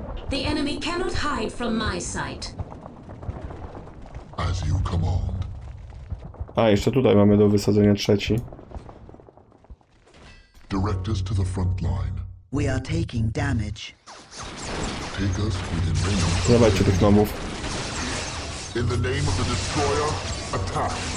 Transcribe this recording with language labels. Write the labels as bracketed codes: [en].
[en] The enemy cannot hide from my sight. as you command. [pl] A, jeszcze tutaj mamy do wysadzenia trzeci. [en] Direct us to the front line. We are taking damage. Take us within range. [pl] Zabijcie tych nomów. [en] In the name of the destroyer, attack.